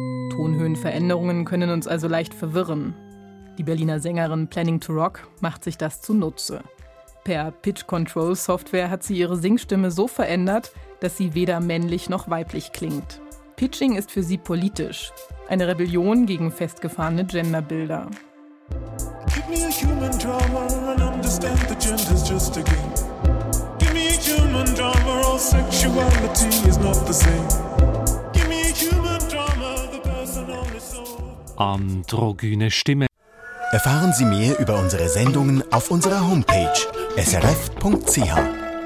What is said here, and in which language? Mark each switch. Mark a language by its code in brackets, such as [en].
[de] Tonhöhenveränderungen können uns also leicht verwirren. Die Berliner Sängerin Planning to Rock macht sich das zunutze. Per Pitch-Control-Software hat sie ihre Singstimme so verändert, dass sie weder männlich noch weiblich klingt. Pitching ist für sie politisch. Eine Rebellion gegen festgefahrene Genderbilder. [en] Give me a human drummer and understand the gender's just a game. Give me a human drummer, all sexuality is not the same. Give me a human drummer, the person on his own. [de] Androgyne Stimme. Erfahren Sie mehr über unsere Sendungen auf unserer Homepage srf.ch.